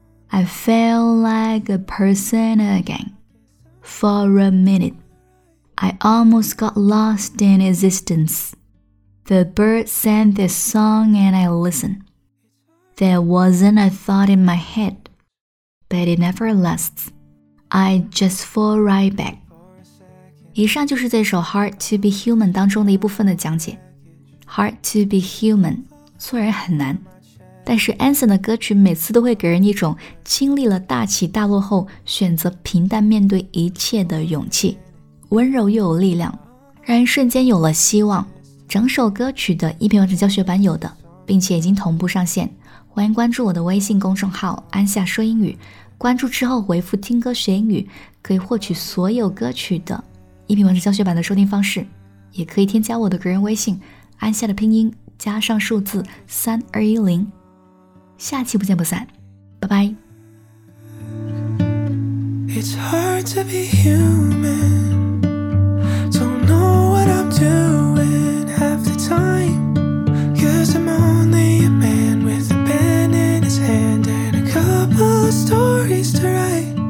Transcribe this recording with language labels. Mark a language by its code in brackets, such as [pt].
[en] I felt like a person again. For a minute, I almost got lost in existence. The birds sang their song and I listened. There wasn't a thought in my head. But it never lasts. I just fall right back. [zh] 以上就是这首 Hard to be Human 当中的一部分的讲解。 Hard to be human, 做人很难。但是 Anson 的歌曲每次都会给人一种经历了大起大落后选择平淡面对一切的勇气。温柔又有力量，让人瞬间有了希望。整首歌曲的音频完整教学版有的，并且已经同步上线。欢迎关注我的微信公众号安夏说英语，关注之后回复听歌学英语，可以获取所有歌曲的音频完整教学版的收听方式。也可以添加我的个人微信安夏的拼音加上数字3210，下期不见不散，拜拜。 [en] It's hard to be human, don't know what I'm doing half the time, cause I'm only a man with a pen in his hand and a couple of stories to write.